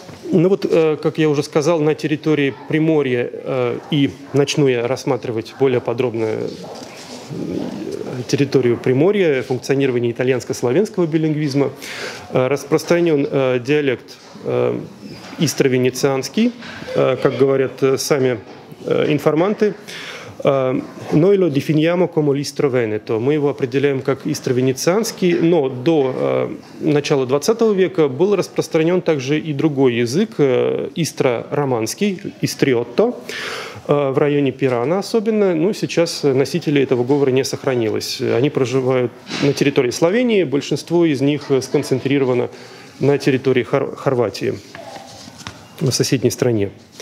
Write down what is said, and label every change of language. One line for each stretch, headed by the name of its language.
Russian: Ну вот, как я уже сказал, на территории Приморья, и начну я рассматривать более подробно территорию Приморья, функционирование итальянско-словенского билингвизма, распространен диалект истро-венецианский, как говорят сами информанты.
Italian: Noi lo definiamo come l'Istro-Veneto.
Russian: Мы его определяем как истро-венецианский, но до начала 20 века был распространен также и другой язык, истро-романский, истриотто, в районе Пирана особенно. Ну, сейчас носители этого говора не сохранилось. Они проживают на территории Словении, большинство из них сконцентрировано на территории Хорватии, в соседней стране.